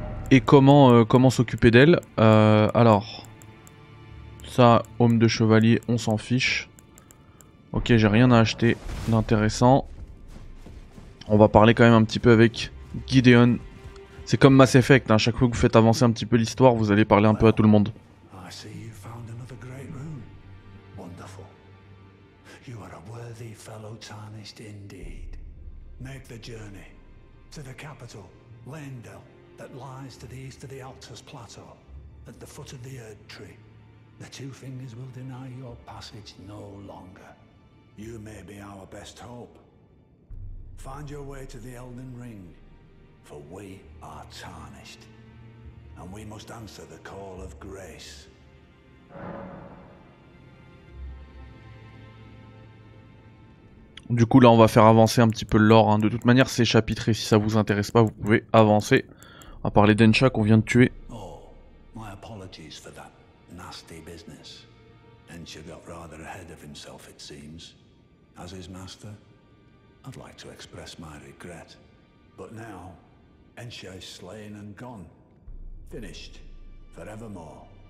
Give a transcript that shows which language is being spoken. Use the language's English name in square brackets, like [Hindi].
[French] Et comment s'occuper d'elle. Alors, ça, homme de chevalier, on s'en fiche. Ok, j'ai rien à acheter d'intéressant. On va parler quand même un petit peu avec Gideon. C'est comme Mass Effect, hein, chaque fois que vous faites avancer un petit peu l'histoire, vous allez parler un peu à tout le monde. [English] I see you found another great room. Wonderful. You are a worthy fellow Tarnished indeed. Make the journey to the capital, Lendel, that lies to the east of the Altus Plateau, at the foot of the Erd Tree. The Two Fingers will deny your passage no longer. You may be our best hope. Find your way to the Elden Ring, for we are Tarnished. And we must answer the call of grace. [French] Du coup, là, on va faire avancer un petit peu le lore. Hein. De toute manière, c'est chapitré. Si ça vous intéresse pas, vous pouvez avancer. On va parler d'Encha qu'on vient de tuer. [English] Oh, my apologies for that nasty business. Encha got rather ahead of himself, it seems. As his master, I'd like to express my regret. But now, Encha is slain and gone. Finished. Forevermore.